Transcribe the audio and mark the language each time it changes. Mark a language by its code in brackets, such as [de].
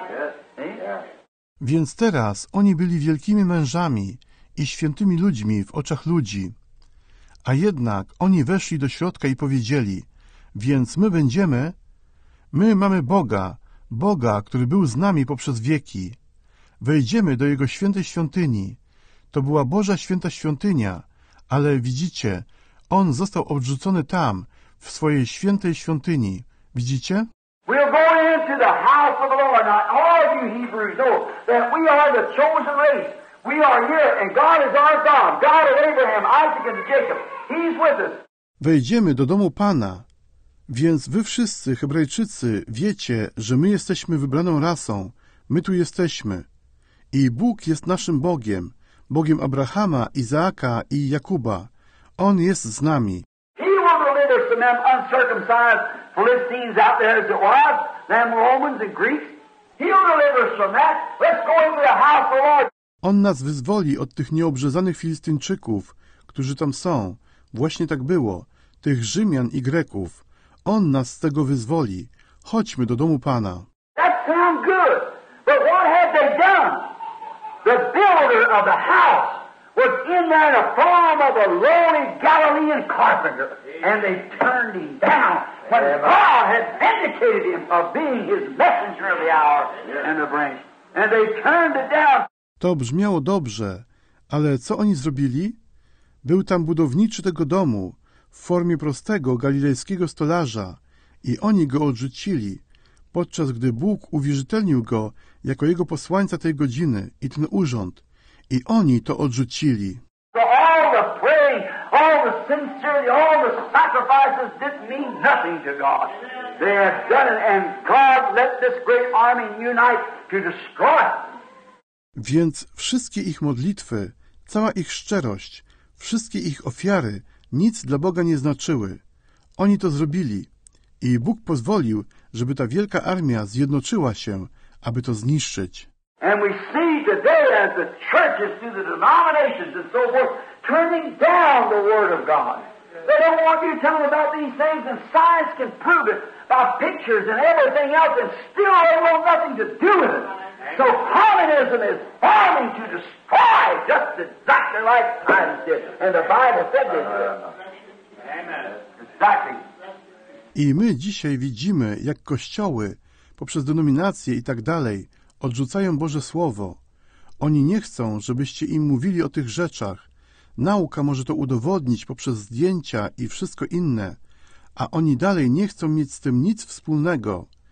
[en] Yes. See? Yeah. [pl] Więc teraz oni byli wielkimi mężami i świętymi ludźmi w oczach ludzi. A jednak oni weszli do środka i powiedzieli, więc my mamy Boga, który był z nami poprzez wieki. Wejdziemy do Jego świętej świątyni. To była Boża święta świątynia, ale widzicie, On został odrzucony tam, w swojej świętej świątyni. Widzicie? [en] We'll go into the house of the Lord. Now, all of you Hebrews know that we are the chosen race. We are here, and God is our God. God of Abraham, Isaac, and Jacob. He's with us. [pl] Wejdziemy do domu Pana. Więc wy wszyscy, Hebrajczycy, wiecie, że my jesteśmy wybraną rasą. My tu jesteśmy. I Bóg jest naszym Bogiem. Bogiem Abrahama, Izaaka i Jakuba. On jest z nami. [en] He will deliver us from them uncircumcised Philistines out there as it was, them Romans and Greeks. He'll deliver us from that. Let's go into the house of the Lord. [pl] On nas wyzwoli od tych nieobrzezanych Filistyńczyków, którzy tam są. Właśnie tak było. Tych Rzymian i Greków. On nas z tego wyzwoli. Chodźmy do domu Pana. [en] That sounds good. But what had they done? The builder of the house was in there in the form of a lowly Galilean carpenter. And they turned him down. But God had vindicated him of being his messenger of the hour and the branch. And they turned it down. [pl] To brzmiało dobrze, ale co oni zrobili? Był tam budowniczy tego domu w formie prostego galilejskiego stolarza i oni go odrzucili, podczas gdy Bóg uwierzytelnił go jako jego posłańca tej godziny i ten urząd. I oni to odrzucili. [en] So all the praying, all the sincerity, all the sacrifices didn't mean nothing to God. They have done it, and God let this great army unite to destroy it. [pl] Więc wszystkie ich modlitwy, cała ich szczerość, wszystkie ich ofiary nic dla Boga nie znaczyły. Oni to zrobili i Bóg pozwolił, żeby ta wielka armia zjednoczyła się, aby to zniszczyć. [en] And we see today as the churches through the denominations and so forth turning down the word of God. They don't want you telling about these things, and science can prove it by pictures and everything else, and still they want nothing to do with it. So communism is bombing to destroy, just exactly like Christ did, and the Bible said they did. [pl] I my dzisiaj widzimy, jak kościoły, poprzez denominacje i tak dalej, odrzucają Boże Słowo. Oni nie chcą, żebyście im mówili o tych rzeczach. Nauka może to udowodnić poprzez zdjęcia i wszystko inne, a oni dalej nie chcą mieć z tym nic wspólnego.